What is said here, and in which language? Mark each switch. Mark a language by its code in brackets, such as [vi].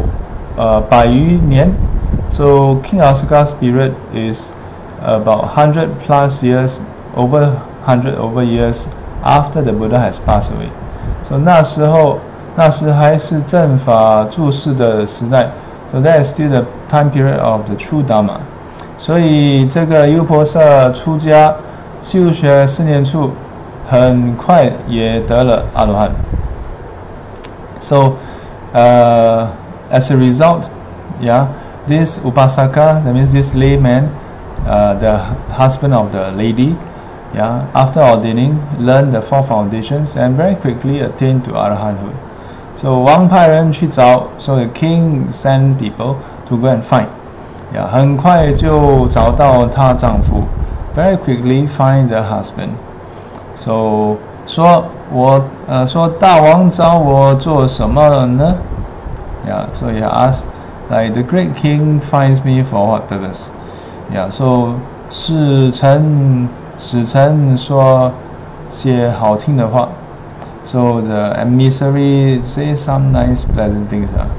[zh] 所以阿育王的时代是佛灭后百余年。 [en] So King Asoka's period is about 100 plus years, over 100 years after the Buddha has passed away. [zh] So 那时还是正法住世的时代。 [en] So that is still the time period of the true Dharma. [zh] 所以这个优婆塞出家修学四年处 很快也得了阿罗汉。 [en] So as a result, yeah, this Upasaka, that means this layman, the husband of the lady, yeah, after ordaining, learned the four foundations and very quickly attained to arahanthood. So [zh] 王派人去找, [en] so the king sent people to go and find. Yeah, [zh] 很快就找到她丈夫, [en] very quickly find the husband. [zh] So 说大王找我做什么呢? [en] Yeah, so he asked, like, the great king finds me for what purpose? [zh] Yeah, so 使臣说些好听的话. [en] So the emissary say some nice pleasant things.